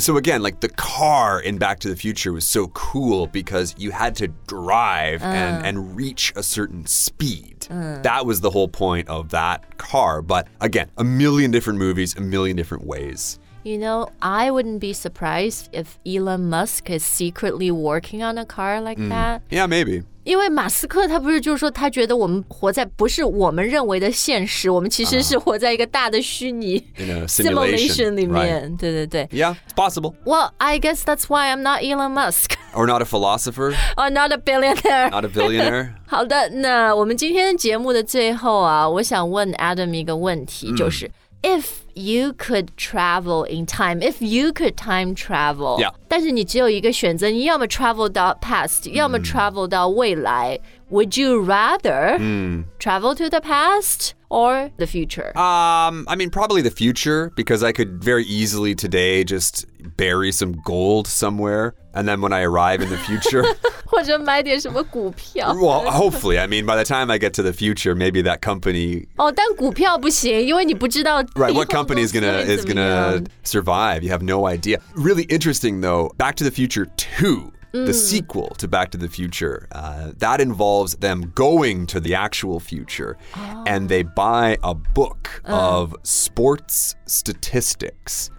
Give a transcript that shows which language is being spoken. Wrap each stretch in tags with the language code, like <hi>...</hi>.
<en>So again, like the car in Back to the Future was so cool because you had to drive and reach a certain speed. That was the whole point of that car. But again, a million different movies, a million different ways. You know, I wouldn't be surprised if Elon Musk is secretly working on a car like that. Yeah, maybe.</en> <zh>因为马斯克他不是就是说他觉得我们活在不是我们认为的现实我们其实是活在一个大的虚拟</zh> <en>simulation</en> <zh>里面、</zh> <en>right.</en> <zh>对对对</zh> <en>Yeah, it's possible Well, I guess that's why I'm not Elon Musk Or not a philosopher Or not a billionaire Not a billionaire</en> <zh>好的那我们今天节目的最后啊我想问 Adam 一个问题、就是</zh> <en>If you could travel in time If you could time travel Yeah</en> <zh>但是你只有一个选择，你要么 travel 到 past， 要么 travel 到未来。</zh> <en>Would you rather travel to the past or the future? I mean, probably the future because I could very easily today just bury some gold somewhere, and then when I arrive in the future,</en> <zh>或者买点什么股票。</zh> <en>Well, hopefully, I mean, by the time I get to the future, maybe that company.</en> <zh>但股票不行，因为你不知道</zh> <en>right what company is gonna survive. You have no idea. Really interesting though. Back to the Future 2, the sequel to Back to the Future, that involves them going to the actual future, and they buy a book of sports statistics.</en>